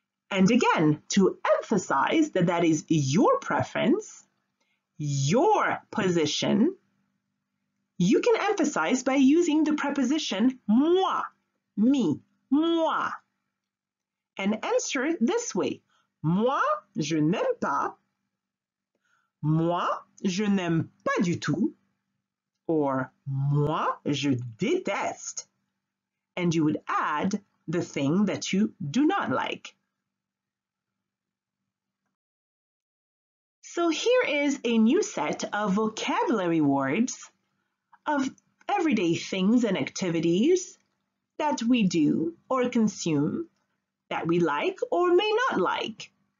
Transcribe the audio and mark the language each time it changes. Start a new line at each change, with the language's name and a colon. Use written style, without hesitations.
English: And again, to emphasize that that is your preference, your position, you can emphasize by using the preposition moi, me. Moi. And answer this way.
French: Moi, je n'aime pas. Moi, je n'aime pas du tout. or moi, je déteste.
English: And you would add the thing that you do not like. So here is a new set of vocabulary words of everyday things and activities that we do or consume that we like or may not like.